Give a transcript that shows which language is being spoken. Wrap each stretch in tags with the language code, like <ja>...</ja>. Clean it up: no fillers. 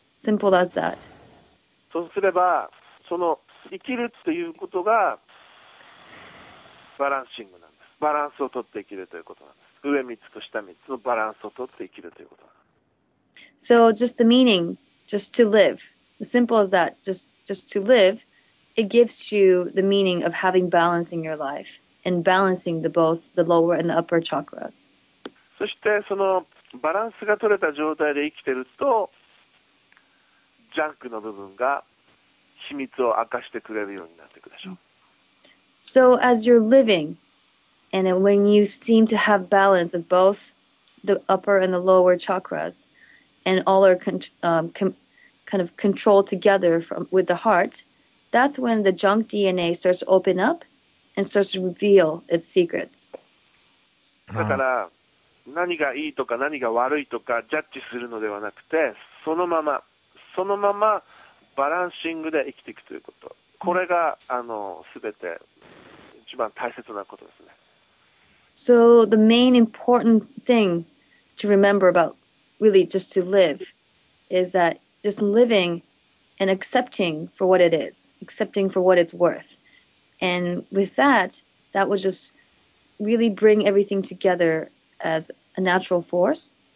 <en>Simple as that.</en> <ja>そうすれば、その生きるっていうことがバランシングなんです。バランスを取って生きるということなんです。上三つと下三つのバランスを取って生きるということなんです。</ja> <en>So just the meaning, just to live. Simple as that, just to live it gives you the meaning of having balance in your life and balancing the both the lower and the upper chakras.</en> <ja>そしてそのバランスが取れた状態で生きてるとジャンクの部分が秘密を明かしてくれるようになっていくでしょう。</ja> <en>So as you're living, and when you seem to have balance of both the upper and the lower chakras, and all are kind of controlled together from with the heart, that's when the junk DNA starts to open up and starts to reveal its secrets.</en> <ja>だから何がいいとか何が悪いとかジャッジするのではなくて、そのまま、そのままバランシングで生きていくということ。これが、すべて一番大切なことですね。</ja> <en>So the main important thing to remember about really just to live is that just living and accepting for what it is, accepting for what it's worth. And with that, that will just really bring everything together as a natural force.</en>